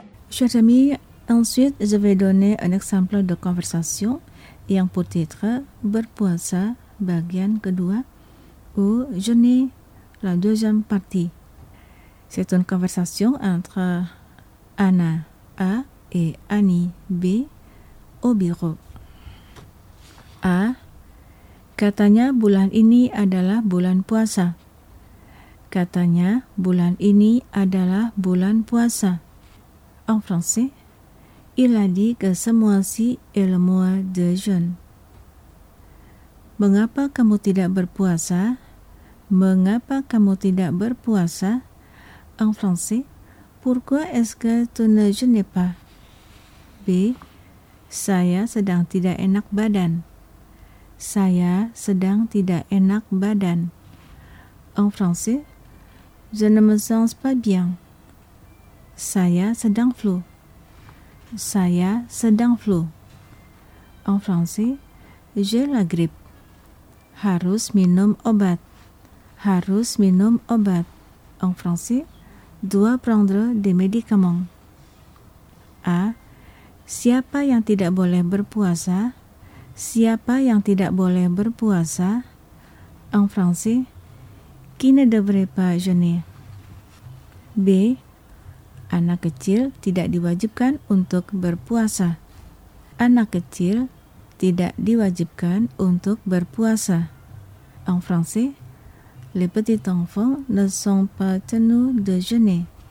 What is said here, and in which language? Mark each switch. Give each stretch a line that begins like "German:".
French: Chers amis, ensuite je vais donner un exemple de conversation ayant pour titre
Indonesian: Berpuasa bagian kedua
French: ou Jeûner la deuxième partie. C'est une conversation entre Anna A et Annie B au bureau. A.
Indonesian: Katanya bulan ini adalah bulan puasa. Katanya bulan ini adalah bulan puasa.
French: En français, il a dit que ce mois-ci est le mois de jeûne.
Indonesian: Mengapa kamu tidak berpuasa? Mengapa kamu tidak berpuasa?
French: En français, pourquoi est-ce que tu ne jeûnes pas? B.
Indonesian: Saya sedang tidak enak badan. Saya sedang tidak enak badan.
French: En français, je ne me sens pas bien.
Indonesian: Saya sedang flu. Saya sedang flu.
French: En français, j'ai la grippe.
Indonesian: Harus minum obat. Harus minum obat.
French: En français, dois prendre des médicaments. A.
Indonesian: Siapa yang tidak boleh berpuasa? Siapa yang tidak boleh berpuasa?
French: En français, qui ne devrait pas jeûner? B.
Indonesian: Anak kecil tidak diwajibkan untuk berpuasa. Anak kecil tidak diwajibkan untuk berpuasa.
French: En français, les petits enfants ne sont pas tenus de jeûner.